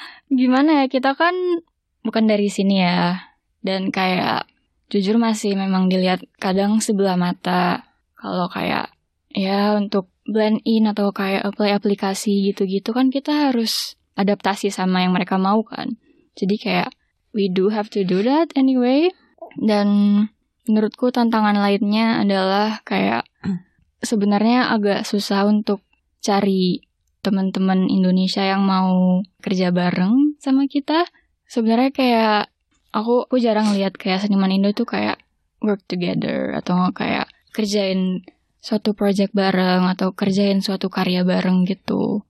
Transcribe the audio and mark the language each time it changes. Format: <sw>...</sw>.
<id>Gimana ya, kita kan bukan dari sini ya. Dan kayak jujur masih memang dilihat kadang sebelah mata. Kalau kayak ya untuk blend in atau kayak apply aplikasi gitu-gitu kan kita harus adaptasi sama yang mereka mau kan. Jadi kayak</id> <en>we do have to do that anyway.</en> <id>Dan menurutku tantangan lainnya adalah kayak sebenarnya agak susah untuk cari teman-teman Indonesia yang mau kerja bareng sama kita. Sebenarnya kayak aku jarang lihat kayak seniman Indo tuh kayak</id> <en>work together</en> <id>atau kayak kerjain suatu project bareng atau kerjain suatu karya bareng gitu.</id>